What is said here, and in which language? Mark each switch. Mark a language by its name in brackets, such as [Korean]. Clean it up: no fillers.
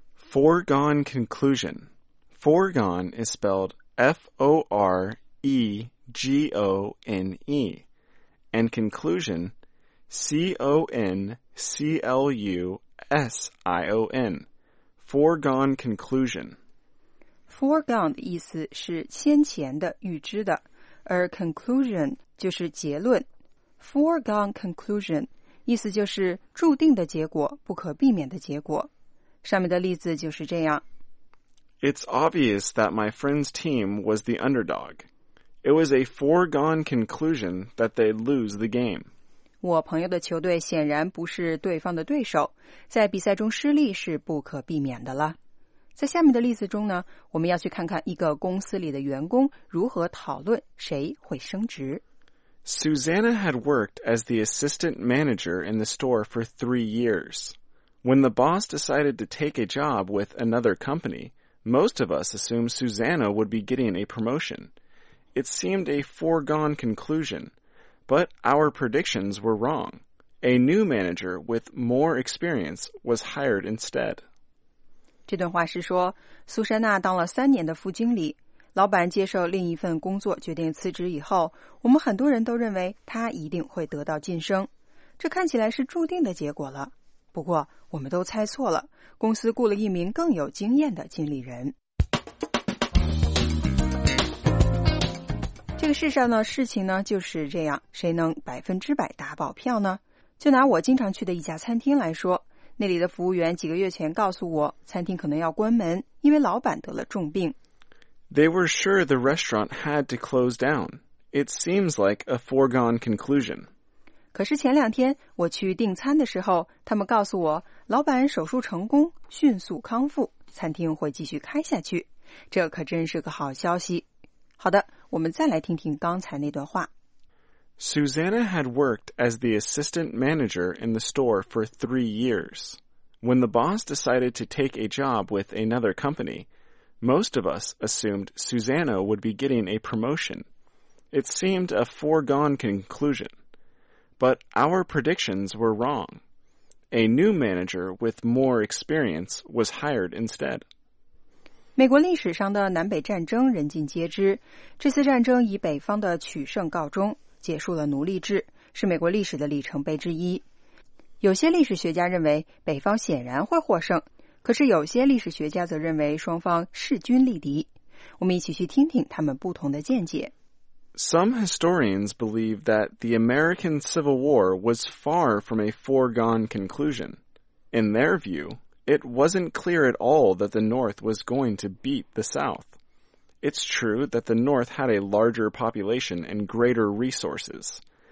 [English] Foregone conclusion Foregone is spelled F-O-R-E-G-O-N-E And conclusion C-O-N-C-L-U-S-I-O-N Foregone conclusion [Chinese] Foregone 的意思是先前的、预知的，而 conclusion 就是结论。 [English] Foregone conclusion [Chinese] 意思就是注定的结果、不可避免的结果。上面的例子就是这样。 [English] It's obvious that my friend's team was the underdog. It was a foregone conclusion that they'd lose the game. [Chinese] 我朋友的球队显然不是对方的对手，在比赛中失利是不可避免的了。在下面的例子中呢，我们要去看看一个公司里的员工如何讨论谁会升职。 [English] Susanna had worked as the assistant manager in the store for 3 years. When the boss decided to take a job with another company, most of us assumed Susanna would be getting a promotion. It seemed a foregone conclusion, but our predictions were wrong. A new manager with more experience was hired instead. [Chinese] 这段话是说，苏珊娜当了3年的副经理，老板接受另一份工作决定辞职以后，我们很多人都认为他一定会得到晋升，这看起来是注定的结果了。不过我们都猜错了，公司雇了一名更有经验的经理人。这个世上呢，事情呢就是这样，谁能百分之百打保票呢？就拿我经常去的一家餐厅来说，那里的服务员几个月前告诉我，餐厅可能要关门，因为老板得了重病。 [English] They were sure the restaurant had to close down. It seems like a foregone conclusion. [Chinese] 可是前两天我去订餐的时候，他们告诉我，老板手术成功，迅速康复，餐厅会继续开下去。这可真是个好消息。好的，我们再来听听刚才那段话。 [English] Susanna had worked as the assistant manager in the store for 3 years. When the boss decided to take a job with another company, most of us assumed Susanna would be getting a promotion. It seemed a foregone conclusion. But our predictions were wrong. A new manager with more experience was hired instead. [Chinese] 美国历史上的南北战争人尽皆知，这次战争以北方的取胜告终，结束了奴隶制，是美国历史的里程碑之一。有些历史学家认为北方显然会获胜，可是有些历史学家则认为双方势均力敌。我们一起去听听他们不同的见解。 [English] Some historians believe that the American Civil War was far from a foregone conclusion. In their view,It wasn't clear at all that the North was going to beat the South. It's true that the North had a larger population and greater resources.